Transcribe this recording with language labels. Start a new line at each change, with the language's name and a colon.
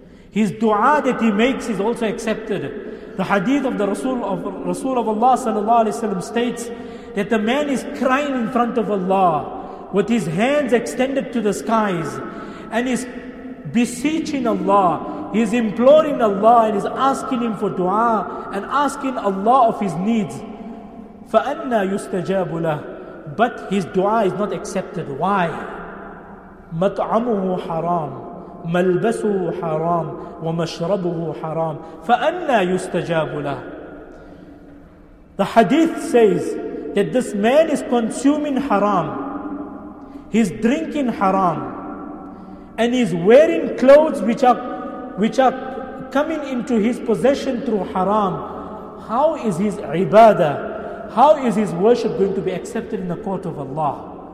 English: His dua that he makes is also accepted. The hadith of the Rasul of Allah sallallahu alaihi wasallam states that the man is crying in front of Allah with his hands extended to the skies and is beseeching Allah, he is imploring Allah and is asking him for dua and asking Allah of his needs.
Arabic: فَأَنَّا يُسْتَجَابُ لَهُ.
English: But his dua is not accepted. Why?
Arabic: مَطْعَمُهُ حَرَامُ مَلْبَسُهُ حَرَامُ وَمَشْرَبُهُ حَرَامُ فَأَنَّا يُسْتَجَابُ لَهُ.
English: The hadith says that this man is consuming haram, he's drinking haram, and he's wearing clothes which are coming into his possession through haram. How is his ibadah, how is his worship going to be accepted in the court of Allah?